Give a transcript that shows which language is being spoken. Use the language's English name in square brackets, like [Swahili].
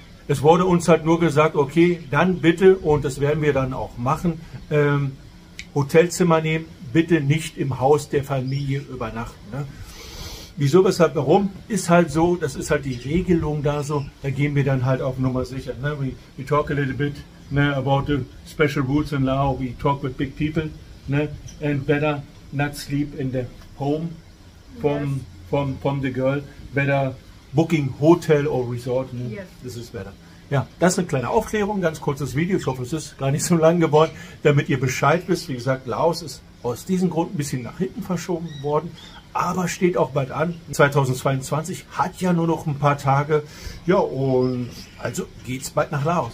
[German] Es wurde uns halt nur gesagt, okay, dann bitte, und das werden wir dann auch machen, Hotelzimmer nehmen, bitte nicht im Haus der Familie übernachten. Ne? Wieso, weshalb, warum? Ist halt so, das ist halt die Regelung da so, da gehen wir dann halt auf Nummer sicher. Ne? [English] We talk a little bit, ne, about the special rules in Laos, we talk with big people, ne? And better not sleep in the home from, yes. from the girl, better booking hotel or resort, ne? Yes. This is better. [German] Ja, das ist eine kleine Aufklärung, ganz kurzes Video, ich hoffe, es ist gar nicht so lang geworden, damit ihr Bescheid wisst. Wie gesagt, Laos ist aus diesem Grund ein bisschen nach hinten verschoben worden, aber steht auch bald an. 2022 hat ja nur noch ein paar Tage. Ja, und also geht's bald nach Laos.